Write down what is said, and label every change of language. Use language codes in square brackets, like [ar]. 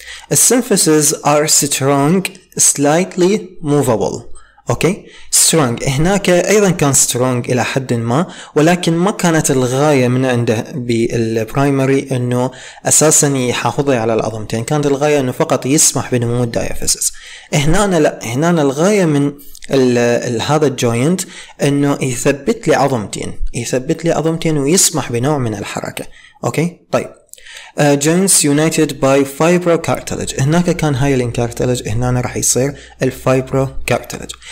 [en] Symphysis are strong, slightly movable. Okay, strong. [ar] هناك أيضا كان strong إلى حد ما, ولكن ما كانت الغاية من عنده بالprimary إنه أساسا يحافظي على العظمتين. كانت الغاية إنه فقط يسمح بنمو الدايفيسز. هنا أنا لا, هنا أنا الغاية من هذا الجوينت إنه يثبت لي عظمتين, يثبت لي عظمتين ويسمح بنوع من الحركة. Okay, طيب. [en] Joints united by fibrocartilage. [ar] هناك كان hyaline cartilage, هنا رح يصير fibrocartilage.